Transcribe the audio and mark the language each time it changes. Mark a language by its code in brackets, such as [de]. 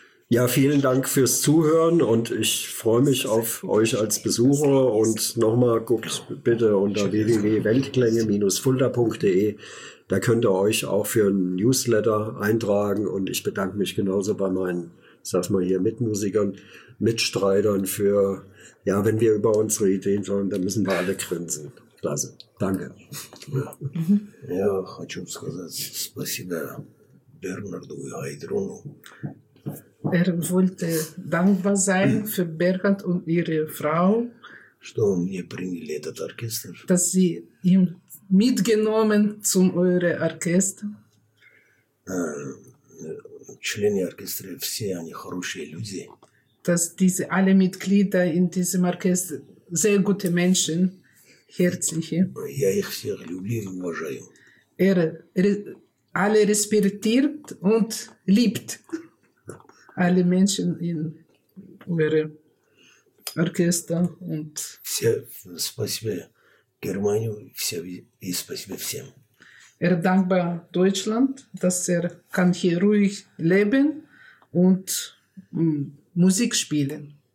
[de] Ja, vielen Dank fürs Zuhören und ich freue mich auf euch als Besucher und nochmal guckt bitte unter www.weltklänge-fulda.de. Da könnt ihr euch auch für ein Newsletter eintragen und ich bedanke mich genauso bei meinen, sag mal hier, Mitmusikern, Mitstreitern für, ja, wenn wir über unsere Ideen sollen, dann müssen wir alle grinsen. Klasse. Danke. [ru] Ja, хочу сказать спасибо Бернарду и Айдрону. [de] Er wollte dankbar sein für Bernhard und ihre Frau [ru] что вы мне приняли этот оркестр. [de] Dass Sie ihn mitgenommen zum eure Orchester. [ru] Члены оркестра, все они хорошие люди. [de] Dass diese alle Mitglieder in diesem Orchester sehr gute Menschen, herzliche. [ru] Я их всех люблю и уважаю. [de] Er alle respektiert und liebt alle Menschen in eure Orchester und [ru] все, спасибо Германию, все, и спасибо всем. [de] Er dankbar Deutschland, dass er kann hier ruhig leben und Musik spielen.